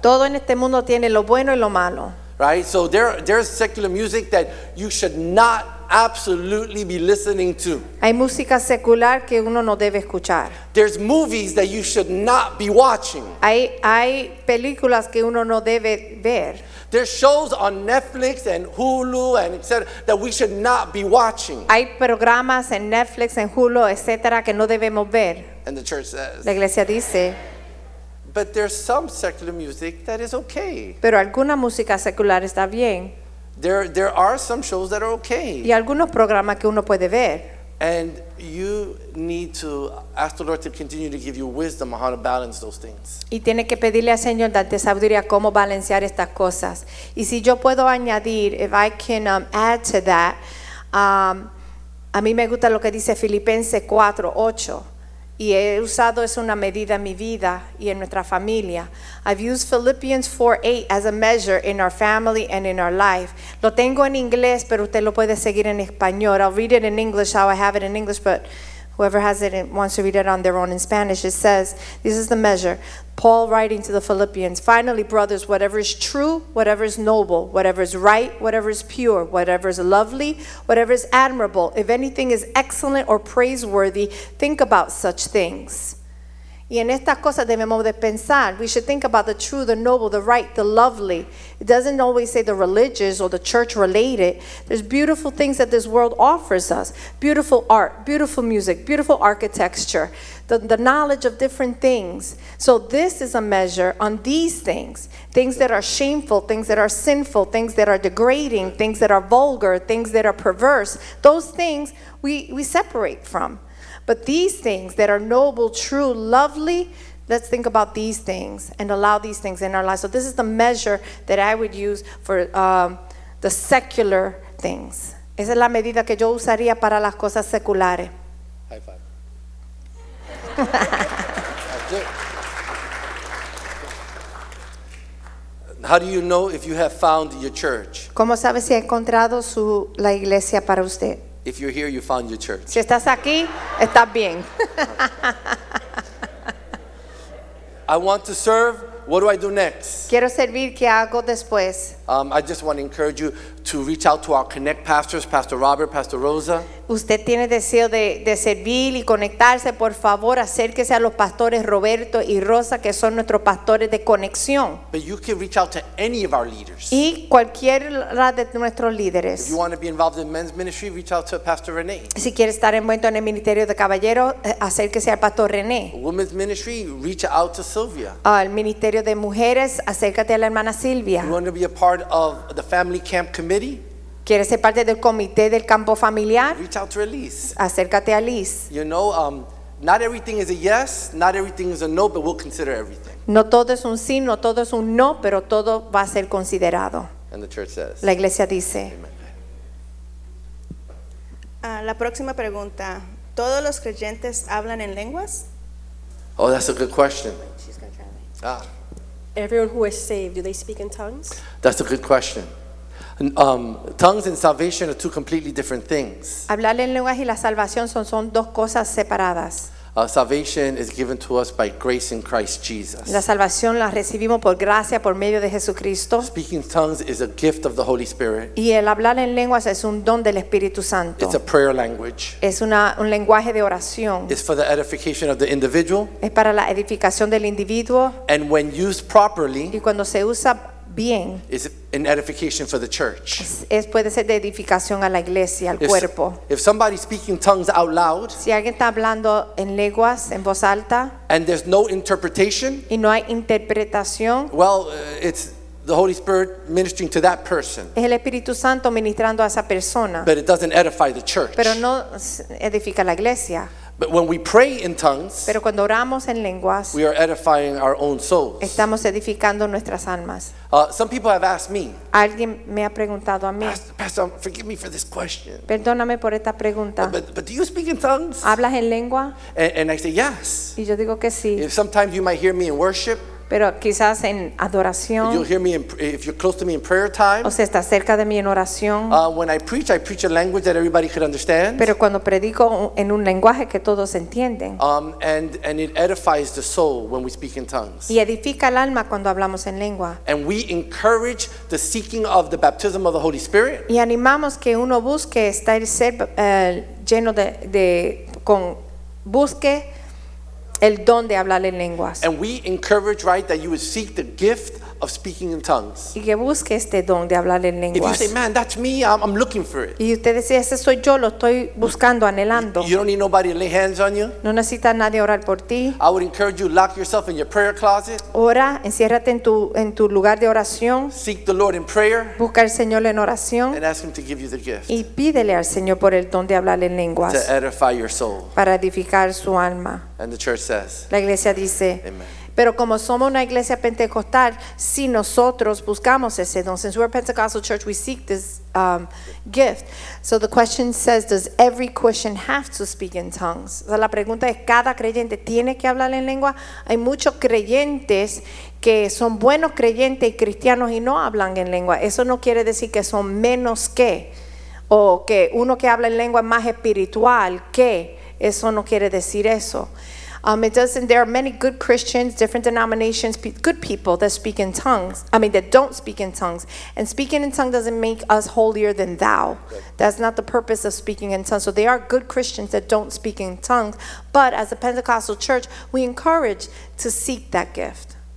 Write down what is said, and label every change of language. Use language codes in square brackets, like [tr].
[es] Todo en este mundo tiene lo bueno y lo malo. [en] Right? So there's secular music that you should not absolutely be listening to. [es] Hay música secular que uno no debe escuchar. [en] There's movies that you should not be watching. [es] Hay películas que uno no debe ver. [en] There's shows on Netflix and Hulu and etc. that we should not be watching. [es] Hay programas en Netflix en Hulu etcétera que no debemos ver. [en] And the church says. [es] La iglesia dice. [en] But there's some secular music that is okay. [es] Pero alguna música secular está bien. [en] There are some shows that are okay. [es] Y algunos programas que uno puede ver. [en] And you need to ask the Lord to continue to give you wisdom on how to balance those things. [es] Y tiene que pedirle al Señor darte sabiduría cómo balancear estas cosas. Y si yo puedo añadir, [en] if I can add to that, [es] a mí me gusta lo que dice Filipenses 4:8. Y he usado eso una medida en mi vida y en nuestra familia. [en] I've used Philippians 4:8 as a measure in our family and in our life. [es] Lo tengo en inglés, pero usted lo puede seguir en español. [en] I'll read it in English, how I have it in English, but whoever has it wants to read it on their own in Spanish. It says, this is the measure. Paul writing to the Philippians. Finally, brothers, whatever is true, whatever is noble, whatever is right, whatever is pure, whatever is lovely, whatever is admirable, if anything is excellent or praiseworthy, think about such things. Y en estas cosas debemos de pensar. We should think about the true, the noble, the right, the lovely. It doesn't always say the religious or the church related. There's beautiful things that this world offers us. Beautiful art, beautiful music, beautiful architecture. The knowledge of different things. So this is a measure on these things. Things that are shameful, things that are sinful, things that are degrading, things that are vulgar, things that are perverse. Those things we separate from. But these things that are noble, true, lovely, let's think about these things and allow these things in our lives. So this is the measure that I would use for the secular things. [es] Esa es la medida que yo usaría para las cosas seculares. [en] High five. How do you know if you have found your church? [es] ¿Cómo sabes si ha encontrado su la iglesia para usted? [en] If you're here, you found your church. [es] Si estás aquí, estás bien. [en] I want to serve. What do I do next? [es] Quiero servir, ¿qué hago después? [en] I just want to encourage you to reach out to our Connect pastors, Pastor Robert, Pastor Rosa. [es] Usted tiene deseo de servir y conectarse, por favor, acérquese a los pastores Roberto y Rosa, que son nuestros pastores de conexión. [en] But you can reach out to any of our leaders. [es] Y cualquiera de nuestros líderes. [en] If you want to be involved in men's ministry, reach out to Pastor René. [es] Si quiere estar envuelto en el ministerio de caballero, acérquese al Pastor René. [en] Women's ministry, reach out to Sylvia. [es] Al ministerio de mujeres, acércate a la hermana Silvia. [en] You want to be a part of the family camp committee? [es] ¿Quieres ser parte del comité del campo familiar? [en] Reach out to Elise. [es] Acércate a Elise. [en] You know, not everything is a yes, not everything is a no, but we'll consider everything. [es] No todo es un sí, no todo es un no, pero todo va a ser considerado. [en] And the church says. [es] La iglesia dice. La próxima pregunta. ¿Todos los creyentes hablan en lenguas? [en] Oh, that's a good question. Everyone who is saved, do they speak in tongues? That's a good question. Tongues and salvation are two completely different things. [es] Hablar en lenguas y la salvación son dos cosas separadas. [en] Salvation is given to us by grace in Christ Jesus. [es] La salvación la recibimos por gracia por medio de Jesucristo. [en] Speaking tongues is a gift of the Holy Spirit. [es] Y el hablar en lenguas es un don del Espíritu Santo. [en] It's a prayer language. [es] Es un lenguaje de oración. [en] It's for the edification of the individual. [es] Es para la edificación del individuo. [en] And when used properly, [es] y cuando se usa bien, [en] is an edification for the church. [es] Es puede ser de edificación a la iglesia, al cuerpo. [en] If somebody speaking tongues out loud, [es] si alguien está hablando en lenguas en voz alta, [en] and there's no interpretation, [es] y no hay interpretación, [en] well, it's the Holy Spirit ministering to that person. [es] Es el Espíritu Santo ministrando a esa persona. [en] But it doesn't edify the church. [es] Pero no edifica la iglesia. [en] But when we pray in tongues, [es] pero cuando oramos en lenguas, [en] we are edifying our own souls. [es] Estamos edificando nuestras almas. [en] Some people have asked me. [es] Alguien me ha preguntado a mí. [en] Pastor, forgive me for this question. [es] Perdóname por esta pregunta. [en] But do you speak in tongues? [es] ¿Hablas en lengua? [en] And I say yes. [es] Y yo digo que sí. [en] If sometimes you might hear me in worship. [es] Pero quizás en adoración. [en] You'll hear me if you're close to me in prayer time. [es] O sea, está cerca de mí en oración. [en] When I preach a language that everybody could understand. [es] Pero cuando predico en un lenguaje que todos entienden. [en] And it edifies the soul when we speak in tongues. [es] Y edifica el alma cuando hablamos en lengua. [en] And we encourage the seeking of the baptism of the Holy Spirit. [es] Y animamos que uno busque estar ser lleno de con busque el don de hablar en lenguas. [en] And we encourage, right, that you would seek the gift of speaking in tongues. [es] Y que busque este don de hablar en lenguas. [en] If you say, man, that's me, I'm looking for it. [es] Y usted dice, ese soy yo, lo estoy buscando, anhelando. [en] You don't need nobody to lay hands on you. [es] No necesita nadie orar por ti. [en] I would encourage you, lock yourself in your prayer closet. [es] Ora, enciérrate en tu lugar de oración. [en] Seek the Lord in prayer. [es] Busca al Señor en oración. [en] And ask him to give you the gift. [es] Y pídele al Señor por el don de hablar en lenguas. [en] To edify your soul. [es] Para edificar su alma. [en] And the church says. [es] La iglesia dice. Amen. Pero como somos una iglesia pentecostal, si nosotros buscamos ese don, [en] since we're a Pentecostal church, we seek this gift. So the question says, does every Christian have to speak in tongues? [es] O sea, la pregunta es, ¿cada creyente tiene que hablar en lengua? Hay muchos creyentes que son buenos creyentes y cristianos y no hablan en lengua. Eso no quiere decir que son menos que, o que uno que habla en lengua es más espiritual que. Eso no quiere decir eso. [en] It doesn't. There are many good Christians, different denominations, good people that speak in tongues. I mean, that don't speak in tongues. And speaking in tongues doesn't make us holier than thou. That's not the purpose of speaking in tongues. So there are good Christians that don't speak in tongues. But as a Pentecostal church, we encourage to seek that gift.